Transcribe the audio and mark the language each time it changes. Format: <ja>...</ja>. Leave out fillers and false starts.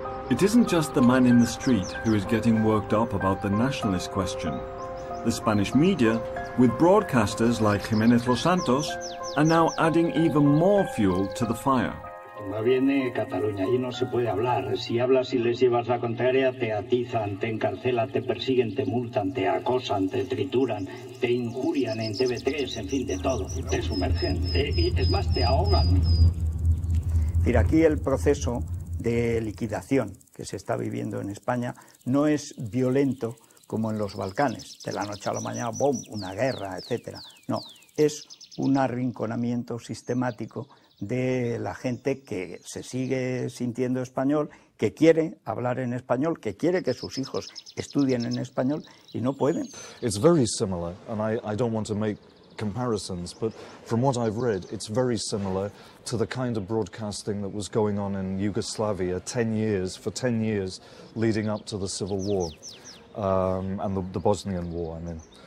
<en>It isn't just the man in the street who is getting worked up about the nationalist question. The Spanish media, with broadcasters like Jiménez Los Santos, are now adding even more fuel to the fire.</en> <es>Cuando viene Cataluña, allí no se puede hablar. Si hablas y les llevas la contraria, te atizan, te encarcelan, te persiguen, te multan, te acosan, te trituran, te injurian en TV3, en fin, de todo. Te sumergen. Es más, te ahogan. Mira, aquí el proceso de liquidación que se está viviendo en España no es violento como en los Balcanes, de la noche a la mañana, ¡boom!, una guerra, etc. No, es un arrinconamiento sistemático de la gente que se sigue sintiendo español, que quiere hablar en español, que quiere que sus hijos estudien en español y no pueden.</es> <en>It's very similar, and I don't want to make comparisons, but from what I've read, it's very similar to the kind of broadcasting that was going on in Yugoslavia for 10 years leading up to the civil war, and the Bosnian war, I mean.</en>